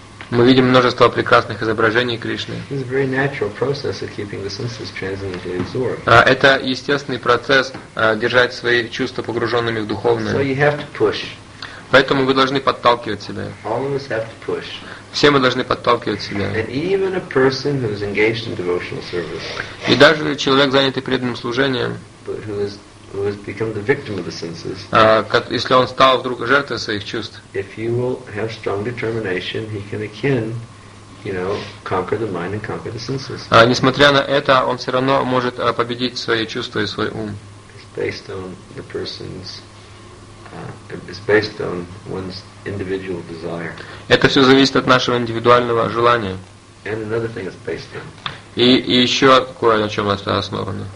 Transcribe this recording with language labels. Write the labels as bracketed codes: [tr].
[ru] Мы видим множество прекрасных изображений Кришны. Это естественный процесс держать свои чувства погруженными в духовное. Поэтому вы должны подталкивать себя. [en] All of us have to push. [ru] Все мы должны подталкивать себя. [en] And even a person who is engaged in devotional service, [ru] и даже человек, занятый преданным служением, [en] who has become the victim of the senses, [ru] если он стал вдруг жертвой своих чувств, [en] if he will have strong determination, he can again, you know, conquer the mind and conquer the senses. [ru] Несмотря на это, он все равно может победить свои чувства и свой ум. [en] It's based on the person's it's based on one's individual desire. [ru] Это все зависит от нашего индивидуального желания. [en] And another thing is based on. [ru] И еще кое на чем это основано.